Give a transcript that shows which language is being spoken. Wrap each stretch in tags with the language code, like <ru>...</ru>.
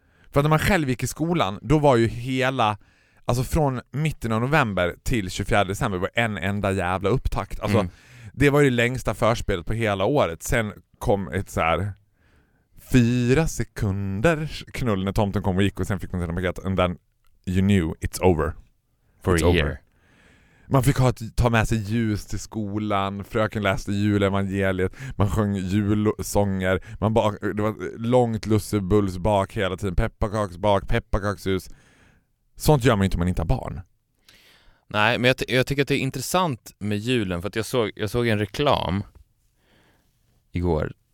<sv>För att när man själv gick i skolan, då var ju hela... Alltså från mitten av november till 24 december var en enda jävla upptakt. Alltså, det var ju det längsta förspelet på hela året. Sen kom ett så här 4 sekunder knull när tomten kom och gick, och sen fick man sedan paket.</sv> <en>And then you knew it's over. For it's a year. Over.</en> <sv>Man fick ta med sig ljus till skolan. Fröken läste julevangeliet. Man sjöng julsånger. Det var långt lussebulls bak hela tiden. Pepparkaksbak, pepparkakshus. Sånt gör man ju inte om man inte har barn. Nej, men jag tycker att det är intressant med julen. För att jag såg en reklam igår.</sv>